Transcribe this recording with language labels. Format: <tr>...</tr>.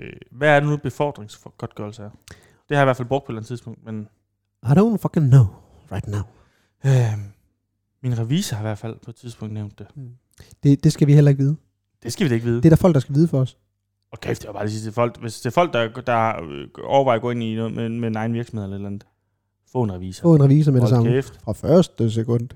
<da>Hvad er det nu, befordringsgodtgørelse er? Det har jeg i hvert fald brugt på et eller andet tidspunkt, men...</da> <en>I don't fucking know right now.</en> <da>Min revisor har i hvert fald på et tidspunkt nævnt det. Det skal vi heller ikke vide. Det skal vi da ikke vide. Det er der folk, der skal vide for os. Og kæft, det var bare det sidste folk. Hvis det er folk, der overvejer at gå ind i noget med en egen virksomhed eller andet, få en revisor. Få en revisor med det samme. Kæft. Fra første sekund.</da>